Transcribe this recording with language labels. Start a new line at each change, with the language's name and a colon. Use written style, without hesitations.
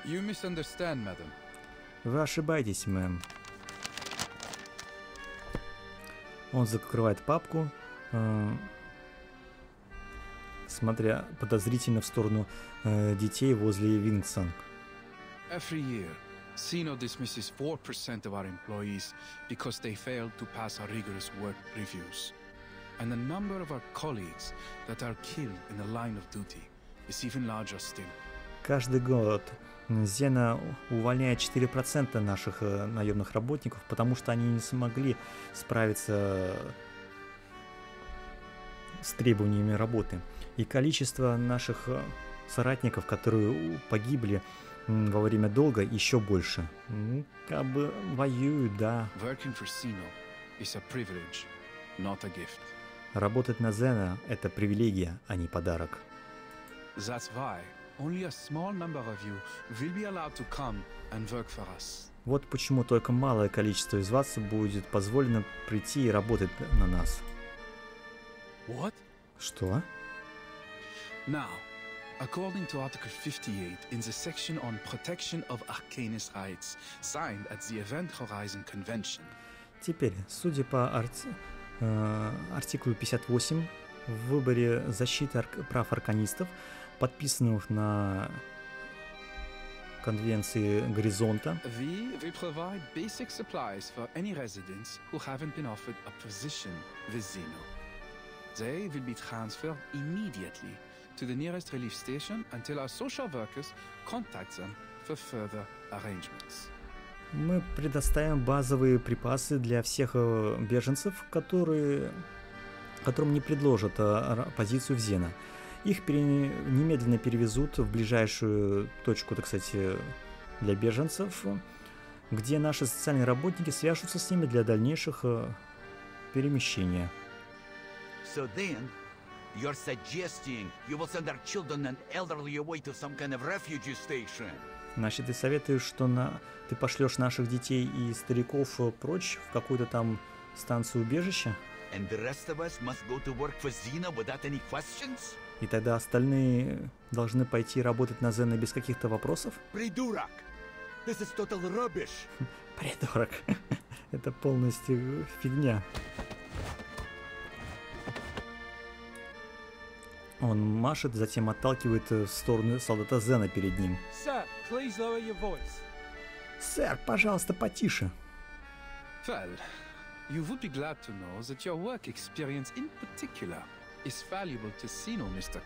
English: You misunderstand, madam.
Russian: Вы ошибаетесь, мэм. Он закрывает папку, смотря подозрительно в сторону детей возле Винксанг.
English: Every year, Xeno dismisses 4% of our employees because they failed to pass our rigorous work reviews. And the number of our colleagues that are killed in the line of duty is even larger still.
Russian: Каждый год Зена увольняет 4% наших наемных работников, потому что они не смогли справиться с требованиями работы. И количество наших соратников, которые погибли во время долга, еще больше. Как бы воюют, да.
English: Working for Xeno is a privilege, not a gift.
Russian: Работать на Зена – это привилегия, а не подарок.
English: That's why only a small number of you will be allowed to come and work for us.
Russian: Вот почему только малое количество из вас будет позволено прийти и работать на нас.
English: What?
Russian: Что?
English: Now, according to Article 58 in the section on protection of Arcanus rights, signed at the Event Horizon Convention.
Russian: Теперь, судя по артикулю 58 в выборе защиты прав арканистов, подписанных на конвенции Горизонта.
English: We provide basic supplies for any residents who haven't been offered a position with Xeno. They will be transferred immediately to the nearest relief station until our social workers contact them for further arrangements.
Russian: Мы предоставим базовые припасы для всех беженцев, которым не предложат позицию в Зена. Их немедленно перевезут в ближайшую точку, так сказать, для беженцев, где наши социальные работники свяжутся с ними для дальнейших перемещения.
English: So then, you're suggesting you will send our children and elderly away to some kind of refugee station.
Russian: Значит, ты советуешь, что ты пошлешь наших детей и стариков прочь в какую-то там станцию убежища?
English: And the rest of us must go to work for Zena without any questions?
Russian: И тогда остальные должны пойти работать на Зена без каких-то вопросов? Придурок!
English: This is total rubbish!
Russian: Придурок! Это полностью фигня. Он машет, затем отталкивает в сторону солдата Зена перед ним.
English: Сэр, please lower your voice.
Russian: Сэр, пожалуйста, потише.
English: Well, you would be glad to know that your work experience in particular is valuable to Sino, Mr.